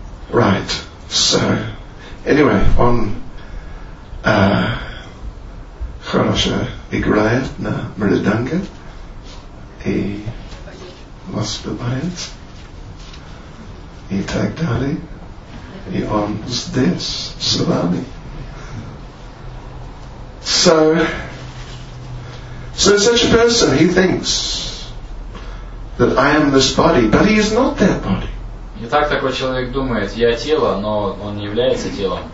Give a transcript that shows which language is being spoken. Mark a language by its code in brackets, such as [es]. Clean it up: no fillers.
[en] Right. So, anyway, [ru] он хорошо играет на мриданге. И воспевает, и так далее, и он здесь, с вами. [en] So such a person, he thinks that I am this body, but he is not that body. [ru] И так такой человек думает, я тело, но он не является телом.